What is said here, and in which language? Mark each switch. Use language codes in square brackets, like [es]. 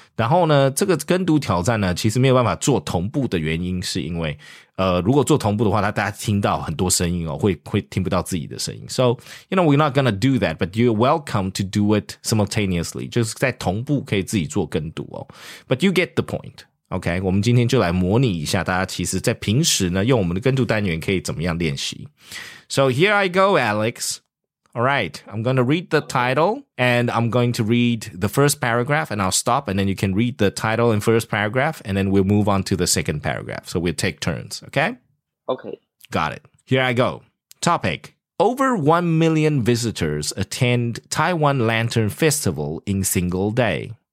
[zh] 然后呢，这个跟读挑战呢，其实没有办法做同步的原因是因为如果做同步的话，大家听到很多声音哦，会听不到自己的声音。 [en] So, you know, we're not gonna do that, but you're welcome to do it simultaneously. [zh] 就是在同步可以自己做跟读哦。 [en] But you get the point. [zh] Okay, 我们今天就来模拟一下大家其实在平时呢，用我们的跟读单元可以怎么样练习。 [en] So here I go, Alex. All right, I'm gonna read the title and I'm going to read the first paragraph and I'll stop and then you can read the title and first paragraph and then we'll move on to the second paragraph. So we'll take turns, okay? Okay. Got it. Here I go. Topic, Over 1 million visitors attend Taiwan Lantern Festival in single day.